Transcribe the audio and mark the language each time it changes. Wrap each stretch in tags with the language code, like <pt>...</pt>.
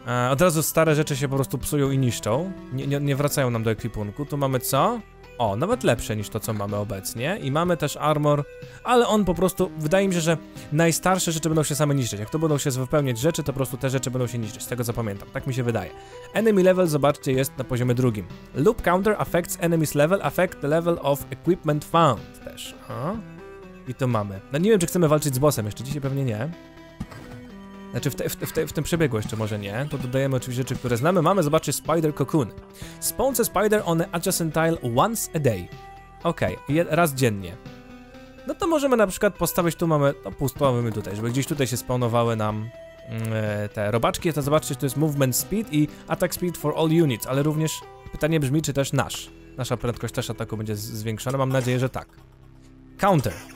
<pl>Od razu stare rzeczy się po prostu psują i niszczą. Nie wracają nam do ekwipunku. Tu mamy co? O, nawet lepsze niż to, co mamy obecnie. I mamy też armor, ale on po prostu... Wydaje mi się, że najstarsze rzeczy będą się same niszczyć. Jak to będą się wypełniać rzeczy, to po prostu te rzeczy będą się niszczyć. Z tego zapamiętam. Tak mi się wydaje. Enemy level, zobaczcie, jest na poziomie 2.</pl> <en>Loop counter affects enemy's level, affect the level of equipment found.</en> <pl>Też. Aha. I to mamy. No nie wiem, czy chcemy walczyć z bossem jeszcze. Dzisiaj pewnie nie. Znaczy w tym przebiegu jeszcze może nie. To dodajemy oczywiście rzeczy, które znamy. Mamy, zobaczcie, spider cocoon.</pl> <en>Spawns a spider on an adjacent tile once a day.</en> <pl>Okej, okay, raz dziennie. No to możemy na przykład postawić, tu mamy, no pusto mamy tutaj, żeby gdzieś tutaj się spawnowały nam te robaczki. To zobaczcie, to jest movement speed i</pl> <en>attack speed for all units,</en> <pl>ale również pytanie brzmi, czy też nasz. nasza prędkość też ataku będzie zwiększona. Mam nadzieję, że tak. Counter.</pl>